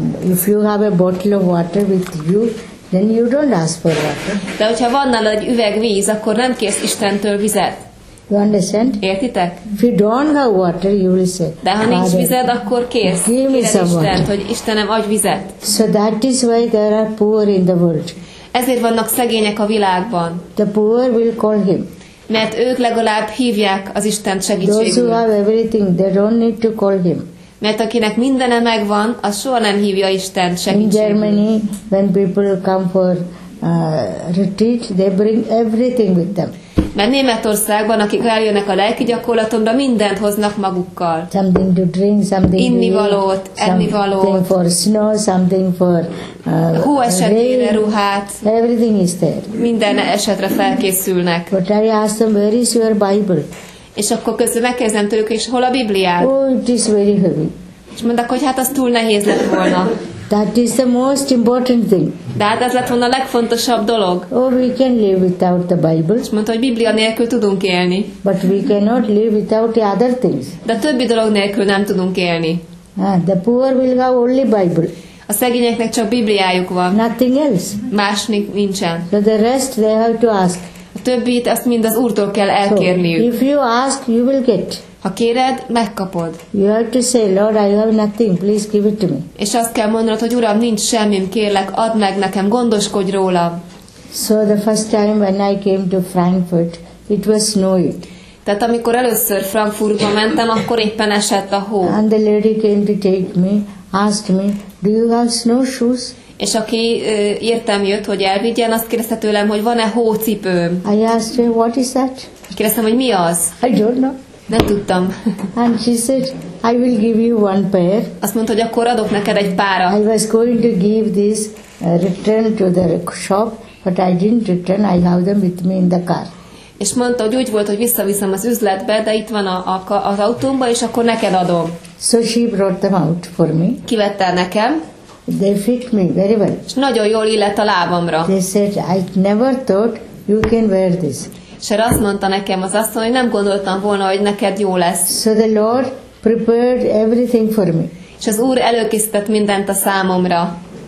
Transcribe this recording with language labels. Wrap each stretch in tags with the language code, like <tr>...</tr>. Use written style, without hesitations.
<en>If you have a bottle of water with you, then you don't ask for water.</en> <hu>De hogyha van nála egy üveg víz, akkor nem kérsz Istentől vizet.</hu> <en>You understand?</en> <hu>Értitek?</hu> <en>If you don't have water, you will say,</en> <hu>de ha nincs vized, akkor kérsz.</hu> <en>Give me some water.</en> <hu>Istent, hogy Istenem, adj vizet.</hu> <en>So that is why there are poor in the world.</en> <hu>Ezért vannak szegények a világban.</hu> <en>The poor will call him.</en> <hu>Mert ők legalább hívják az Istent segítségül.</hu> <en>Those who have everything, they don't need to call him.</en> <hu>Mert akinek mindene megvan, az soha nem hívja Istent segítségül.</hu> <en>In Germany, when people come for retreat, they bring everything with them.</en> <hu>Mert Németországban, akik eljönnek a lelki gyakorlatomra, mindent hoznak magukkal.</hu> <en>Something to drink, something</en> <hu>innivalót, ennivalót.</hu> <en>Something for snow, something for</en> <hu>hó esetére ruhát.</hu> <en>Everything is there.</en> <hu>Minden esetre felkészülnek.</hu> <en>But I ask them, where is your Bible?</en> <hu>És akkor közben megkérdezem tőlük, és hol a Bibliád?</hu> <en>Oh, it is very heavy.</en> <hu>És mondták, hogy hát az túl nehéz lett volna.</hu> <en>That is the most important thing.</en> <hu>De hát ez lett volna a legfontosabb dolog.</hu> <en>Oh, we can live without the Bible.</en> <hu>És mondta, hogy Biblia nélkül tudunk élni.</hu> <en>But we cannot live without the other things.</en> <hu>De többi dolog nélkül nem tudunk élni.</hu> <en>The poor will have only Bible.</en> <hu>A szegényeknek csak Bibliájuk van.</hu> <en>Nothing else.</en> <hu>Más nincsen.</hu> <en>So the rest they have to ask.</en> <hu>A többit azt mind az Úrtól kell elkérniük.</hu> <en>So, if you ask, you will get.</en> <hu>Ha kéred, megkapod.</hu> <en>You have to say, Lord, I have nothing. Please give it to me.</en> <hu>És azt kell mondanod, hogy Uram, nincs semmim, kérlek, add meg nekem, gondoskodj róla.</hu> <en>So the first time when I came to Frankfurt, it was snowy.</en> <hu>Tehát amikor először Frankfurtba mentem, akkor éppen esett a hó.</hu> <en>And the lady came to take me, asked me, do you have snowshoes?</en> <hu>És aki értem jött, hogy elvigyen, azt kérdezte tőlem, hogy van-e hócipőm.</hu> <en>I asked her, what is that?</en> <hu>Kérdeztem, hogy mi az?</hu> <en>I don't know.</en> <hu>Nem tudtam.</hu> <en>And she said, I will give you one pair.</en> <hu>Azt mondta, hogy akkor adok neked egy pára.</hu> <en>I was going to give this return to the shop, but I didn't return, I have them with me in the car.</en> <hu>És mondta, hogy úgy volt, hogy visszaviszem az üzletbe, de itt van az autómba, és akkor neked adom.</hu> <en>So she brought them out for me.</en> <hu>Kivette nekem.</hu> <en>They fit me very well.</en> <hu>És nagyon jól illett a lábamra.</hu> <en>They said, I never thought you can wear this.</en> <hu>És erre azt mondta nekem az asszony, hogy nem gondoltam volna, hogy neked jó lesz.</hu> <en>So the Lord prepared everything for me.</en> <hu>És az Úr előkészített mindent a számomra.</hu>